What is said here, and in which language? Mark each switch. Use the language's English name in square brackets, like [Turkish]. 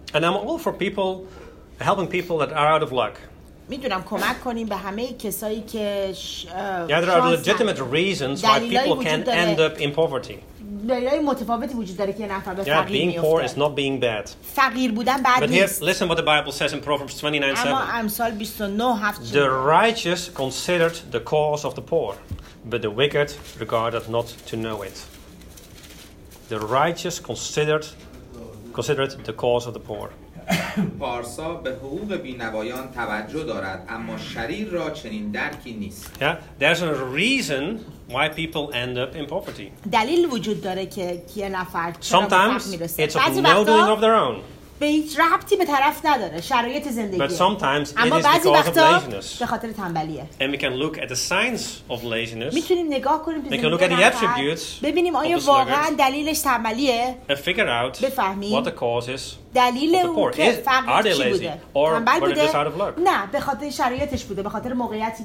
[English] And I'm all for people helping people that are out of luck. [Persian] می‌دونم کمک کنیم به همه کسایی که [English] Yeah, there are legitimate reasons why people can end up in poverty. [Persian] دلیلی متفاوتی وجود داره که نفر به فقیر میفته. [English] Being poor is not being bad. [Persian] فقیر بودن بد نیست. [English] But here, listen what the Bible says in Proverbs 29:7. [Persian] اما امثال 29:7. [English] The righteous considered the cause of the poor, but the wicked regarded not to know it. The righteous considered the cause of the poor. [Persian] پارسا به حقوق بینوایان توجه دارد، اما شریر را چنین درکی نیست. [English] Yeah, there's a reason why people end up in poverty. [Persian] دلیل وجود داره که یه نفر چرا [English] sometimes it's of no doing of their own. [Persian] به هیچ ربطی به طرف نداره شرایط زندگی. [English] But sometimes it is because of laziness. [Persian] به خاطر تنبلیه. [English] And we can look at the signs of laziness. [Persian] میتونیم نگاه کنیم [English] به look at the attributes. [Persian] ببینیم آیا واقعا دلیلش تنبلیه. [English] And figure out [Persian] بفهمیم [English] what the cause is. [Persian] دلیل اون که [English] are they lazy or were they just out of luck? [Persian] نه به خاطر شرایطش بوده، به خاطر موقعیتی که